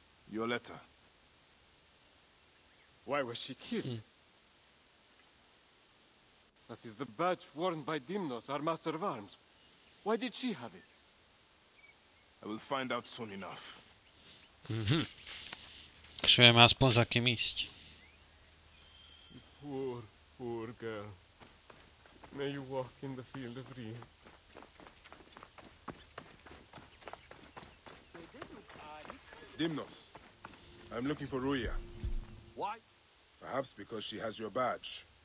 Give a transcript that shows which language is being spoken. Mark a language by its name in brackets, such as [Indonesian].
[English] Your letter. Why was she killed? That is the badge worn by Dimnos, our master of arms. Why did she have it? I will find out soon enough. [Slovak] Takže vieme aspoň za kým ísť. [English] Poor, poor girl. May you walk in the field of dreams. Dimnos, I'm looking for Ruia. Why? Perhaps because she has your badge.